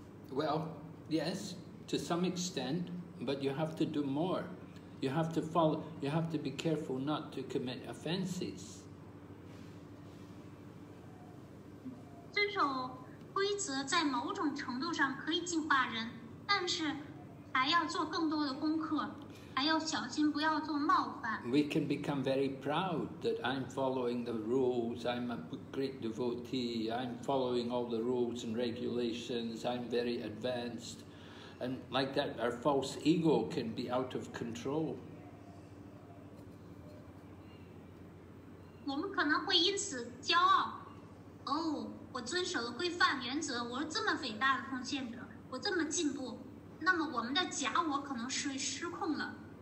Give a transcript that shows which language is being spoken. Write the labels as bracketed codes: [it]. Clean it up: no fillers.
[en] Well, yes, to some extent, but you have to do more. You have to follow, you have to be careful not to commit offenses. [zh] 遵守规则在某种程度上可以净化人，但是还要做更多的功课，还要小心不要做冒犯。 [en] We can become very proud that I'm following the rules, I'm a great devotee, I'm following all the rules and regulations, I'm very advanced. And like that, our false ego can be out of control. [zh] 我们可能会因此骄傲，哦。我遵守了规范原则，我是这么伟大的奉献者，我这么进步，那么我们的假我可能是失控了。